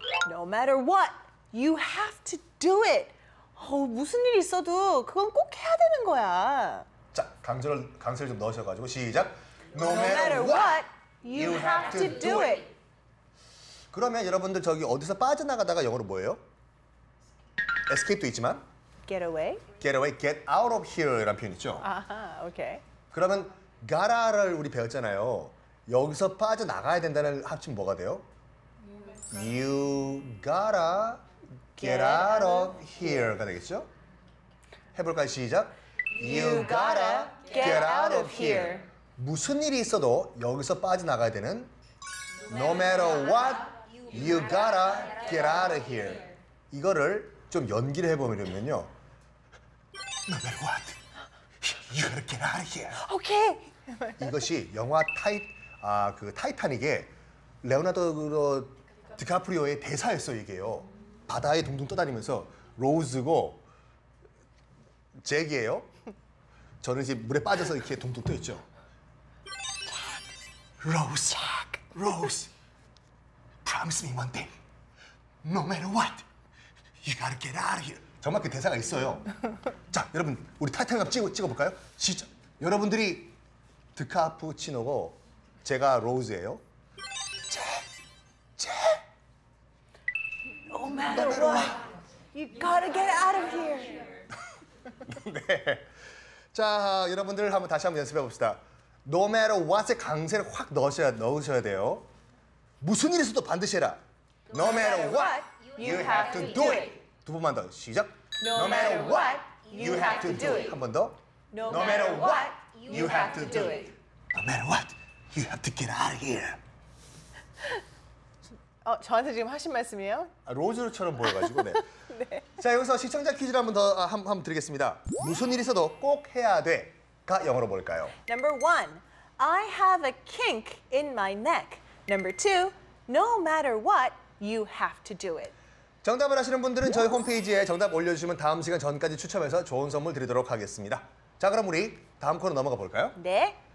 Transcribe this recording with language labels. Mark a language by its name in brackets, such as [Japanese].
[English] No matter what, you have to do it. [Korean] 무슨 일이 있어도 그건 꼭 해야 되는 거야. 자, 강세를 좀 넣으셔가지고 시작! [English] No matter what, you have to do it! [Korean] 그러면 여러분들 저기 어디서 빠져나가다가 영어로 뭐예요? Escape도 있지만? [English] Get away? Get away, get out of here [Korean] 라는 표현 있죠? 아하, 오케이. 그러면 가라를 우리 배웠잖아요. 여기서 빠져나가야 된다는 합치면 뭐가 돼요? [English] You gotta get out of here [Korean] 가 되겠죠? 해볼까요? 시작! [English] You gotta get out of here. [Korean] 무슨 일이 있어도 여기서 빠져나가야 되는 [English] No matter what, you gotta get out of here. [Korean] 이거를 좀 연기를 해보면요. [English] No matter what, you gotta get out of here. Okay. [Korean] 이것이 영화 타이타닉의 레오나르도 디카프리오의 대사였어요, 이게요. 바다에 둥둥 떠다니면서 로즈고 잭이에요. 저는 이제 물에 빠져서 이렇게 동동 떠있죠. [English] 로즈, promise me one thing. No matter what, you gotta get out of here. [Korean] 정말 그 대사가 있어요. 자, 여러분, 우리 타이타닉 한번 찍어볼까요? 시작. 여러분들이 드카푸치노고 제가 로즈예요. 잭. [English] No matter what, you gotta get out of here. [Korean] 네. 자, 여러분들 한번 다시 한번 연습해 봅시다. [English] No matter what [Korean] 의 강세를 확 넣으셔야 돼요. 무슨 일이 있어도 반드시 해라. [English] No matter what, you have to do it. [Korean] 두 번만 더 시작. [English] No matter what, you have to do it. [Korean] 한 번 더. [English] No matter what, you have to do it. No matter what, you have to get out of here. [Korean] 저한테 지금 하신 말씀이에요? 아, 로즈처럼 보여가지고 네. 네. 자 여기서 시청자 퀴즈 한 번 더 한번 드리겠습니다. 무슨 일 있어도 꼭 해야 돼가 영어로 뭘까요? [English] Number one, I have a kink in my neck. Number two, no matter what, you have to do it. [Korean] 정답을 아시는 분들은 저희 홈페이지에 정답 올려주시면 다음 시간 전까지 추첨해서 좋은 선물 드리도록 하겠습니다. 자 그럼 우리 다음 코너 넘어가 볼까요? 네.